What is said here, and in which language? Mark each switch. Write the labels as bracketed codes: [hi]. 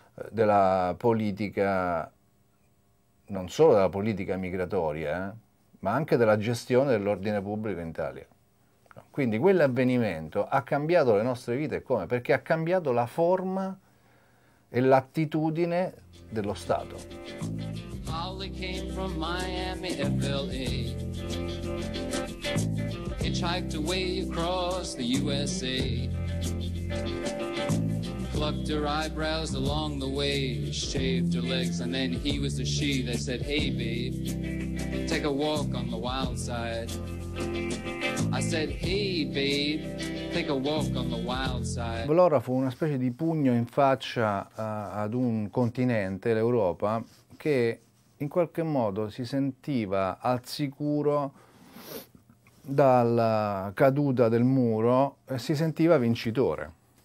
[it] della politica, non solo della politica migratoria, ma anche della gestione dell'ordine pubblico in Italia. Quindi quell'avvenimento ha cambiato le nostre vite, come? Perché ha cambiato la forma e l'attitudine dello Stato. [en] Holly came from Miami, FLA. Hitchhiked away across the USA. Plucked her eyebrows along the way, shaved her legs, and then he was the she that said, hey babe, take a walk on the wild side. I said, hey babe, take a walk on the wild side. [it] Vlora fu una specie di pugno in faccia ad un continente, l'Europa, che in qualche modo si sentiva al sicuro dalla caduta del muro e si sentiva vincitore.